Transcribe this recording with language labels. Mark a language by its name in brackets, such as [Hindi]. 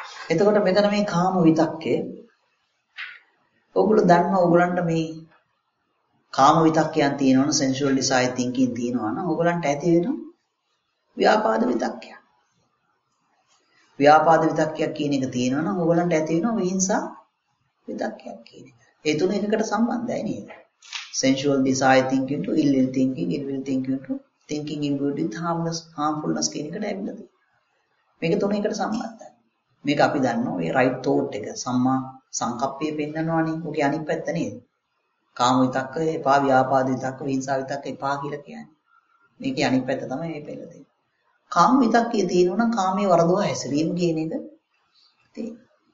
[Sinhala] එතකොට මෙතන මේ කාම විතක්කේ ඔගොල්ලෝ දන්න ඔයගොල්ලන්ට මේ කාම විතක්කයන් තියෙනවනේ [English] sensual desire thinking [Sinhala] තියෙනවනේ ඔයගොල්ලන්ට ඇති වෙන ව්‍යාපාද විතක්කය. ව්‍යාපාද විතක්කයක් කියන එක තියෙනවා නම් ඕගලන්ට ඇති වෙනවා විහිංසා විතක්කයක් කියන එක. ඒ තුන එකකට සම්බන්ධයි නේද? [English] sensual desire thinking to ill will thinking, ill will thinking to thinking in good with harmless harmfulness [Sinhala] කියන එකට ඇවිල්ලා තියෙනවා. මේක තුන එකට සම්බන්ධයි. මේක අපි දන්නවා මේ [English] right thought [Sinhala] එක සම්මා සංකප්පය පෙන්නනවානේ. ඔකේ අනිත් පැත්ත නේද? කාම විතක්ක එපා, ව්‍යාපාද විතක්ක, විහිංසා විතක්ක එපා කියලා කියන්නේ. මේකේ අනිත් පැත්ත තමයි මේ පෙළ දෙන්නේ. කාම විතක්කයේ තියෙනවා නම් කාමයේ වරදව හැසිරීම කියන එක තියෙනවා.